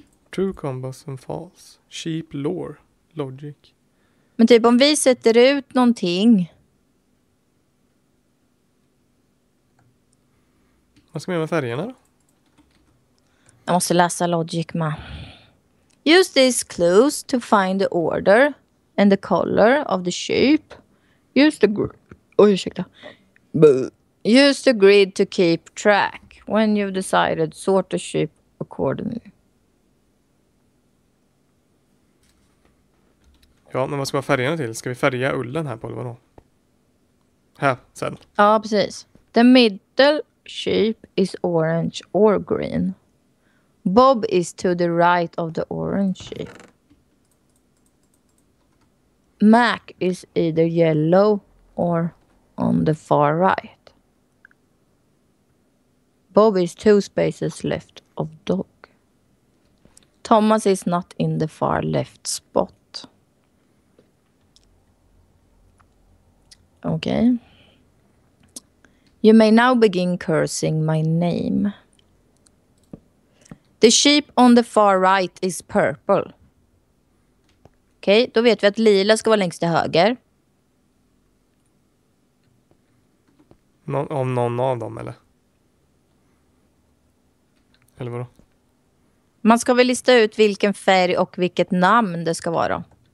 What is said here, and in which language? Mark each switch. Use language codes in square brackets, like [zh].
[en] True combos and false. Sheep lore. Logic. [sv] Men typ om vi sätter ut någonting. Vad ska vi göra med färgerna då? Jag måste läsa logic med. [en] Use these clues to find the order and the color of the sheep. Use the grid. [sv] Oj, ursäkta. [en] Use the grid to keep track. When you've decided, sort the sheep accordingly. [sv] Ja, men vad ska vi ha färgerna till? Ska vi färga ullen här på eller vad då? Här, sen. Ja, precis. [en] The middle sheep is orange or green. Bob is to the right of the orange sheep. Mac is either yellow or on the far right. Bob is two spaces left of dog. Thomas is not in the far left spot. Okay. You may now begin cursing my name. The sheep on the far right is purple. [sv] Okej, okay, då vet vi att lila ska vara längst till höger. Om någon av dem, eller? Eller vadå? Man ska väl lista ut vilken färg och vilket namn det ska vara.